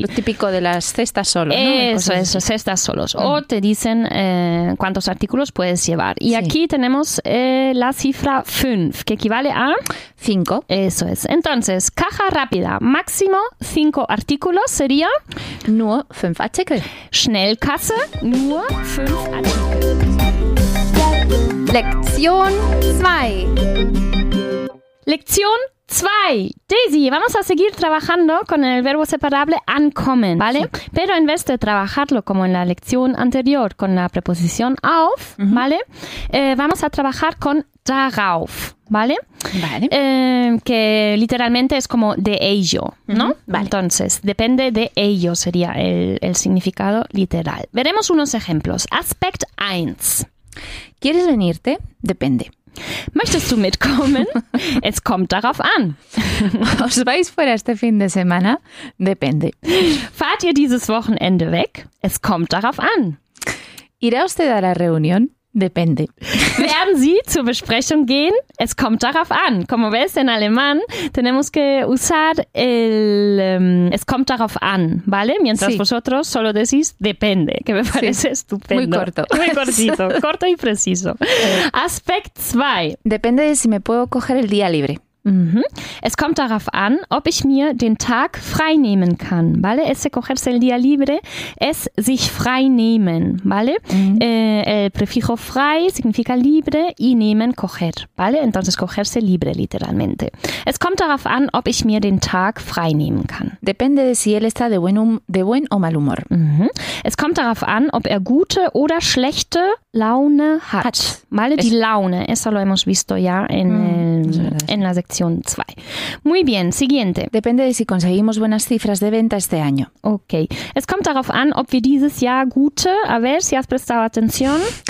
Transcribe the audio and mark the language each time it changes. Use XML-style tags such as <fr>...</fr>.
<es>Lo típico de las cestas solos, ¿no? Eso, cestas solos. Uh-huh. O te dicen cuántos artículos puedes llevar. Y sí. Aquí tenemos la cifra 5, que equivale a... 5. Eso es. Entonces, caja rápida, máximo 5 artículos sería...</es> <de>Nur 5 Artikel. Schnellkasse, nur 5 Artikel.</de> <es>Lección 2. Lección 2. Daisy, vamos a seguir trabajando con el verbo separable ankommen, ¿vale? Sí. Pero en vez de trabajarlo como en la lección anterior con la preposición auf, ¿vale? Vamos a trabajar con darauf, ¿vale? Vale. Que literalmente es como de ello, ¿no? Vale. Entonces, depende de ello sería el significado literal. Veremos unos ejemplos. Aspect 1. ¿Quieres venirte? Depende.</es> <de>Möchtest du mitkommen? Es kommt darauf an.</de> <es>Os vais fuera este fin de semana? Depende.</es> <de>Fahrt ihr dieses Wochenende weg? Es kommt darauf an.</de> <es>Irá usted a la reunión? Depende.</es> <de>Werden Sie zur Besprechung gehen? Es kommt darauf an.</de> <es>Como ves en alemán, tenemos que usar el...</es> <de>es kommt darauf an,</de> <es>¿vale? Mientras sí. vosotros solo decís depende, que me parece sí. estupendo. Muy corto. Muy cortito. Corto y preciso. Aspect 2. Depende de si me puedo coger el día libre. Mm-hmm.</es> <de>Es kommt darauf an, ob ich mir den Tag frei nehmen kann, ¿vale?</de> <es>Es se cogerse el día libre, es</es> <de>sich frei nehmen,</de> <es>¿vale? Mm-hmm. El prefijo frei significa libre y nehmen coger, ¿vale? Entonces cogerse libre literalmente.</es> <de>Es kommt darauf an, ob ich mir den Tag frei nehmen kann.</de> <es>Depende de si él está de buen o mal humor. Mm-hmm.</es> <de>Es kommt darauf an, ob er gute oder schlechte Laune hat.</de> <es>¿Vale? Die Laune, eso lo hemos visto ya en la sección 2. Muy bien, siguiente. Depende de si conseguimos buenas cifras de venta este año. Ok.</es> <de>Es kommt darauf an, ob wir dieses Jahr gute,</de> <es>a ver si has prestado atención.</es>